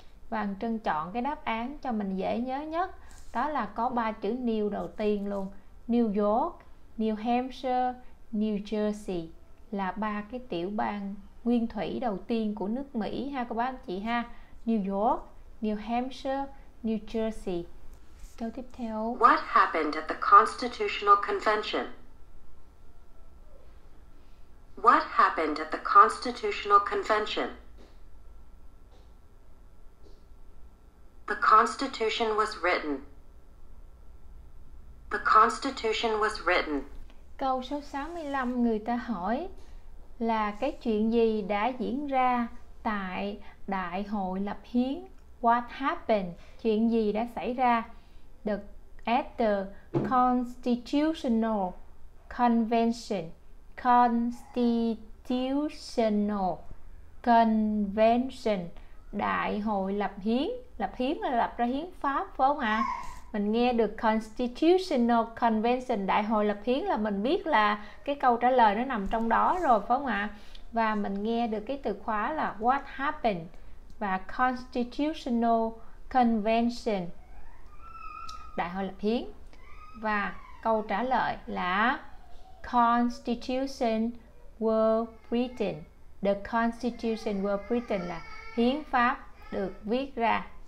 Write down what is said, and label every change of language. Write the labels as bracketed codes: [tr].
[vi] Và Trân chọn cái đáp án cho mình dễ nhớ nhất, đó là có 3 chữ New đầu tiên luôn. New York, New Hampshire, New Jersey là 3 cái tiểu bang nguyên thủy đầu tiên của nước Mỹ ha cô bác anh chị ha. New York, New Hampshire, New Jersey. Câu tiếp theo. [en] What happened at the Constitutional Convention? What happened at the Constitutional Convention? The Constitution was written. The Constitution was written. [vi] Câu số 65, người ta hỏi là cái chuyện gì đã diễn ra tại Đại hội lập hiến? [en] What happened? [vi] Chuyện gì đã xảy ra? [en] At the Constitutional Convention. Constitutional Convention. [vi] Đại hội lập hiến. Lập hiến là lập ra hiến pháp phải không ạ? Mình nghe được Constitutional Convention, đại hội lập hiến là mình biết là cái câu trả lời nó nằm trong đó rồi phải không ạ? Và mình nghe được cái từ khóa là what happened và Constitutional Convention, đại hội lập hiến. Và câu trả lời là [en] Constitution was written. The Constitution was written [vi] là hiến pháp được viết ra.